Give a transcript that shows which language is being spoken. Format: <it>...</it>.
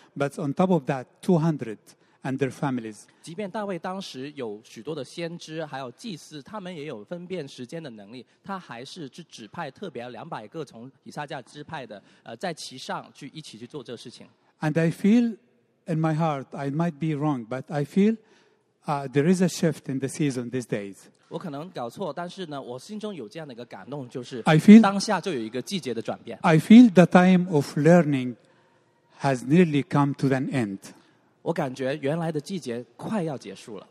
<en>But on top of that, 200 and their families.</en> <zh>即便大卫当时有许多的先知, 还有祭司, 他们也有分辨时间的能力, 他还是只指派特别200个从以撒加支派的, 在其上去一起去做这事情。</zh> <en>And I feel in my heart, I might be wrong, but I feel there is a shift in the season these days.</en> <zh>我可能搞错, 但是呢, 我心中有这样的一个感动, 就是,</zh> <en>I feel,</en> <zh>当下就有一个季节的转变。</zh> <en>I feel the time of learning has nearly come to an end.</en> <zh>我感觉原来的季节快要结束了。</zh>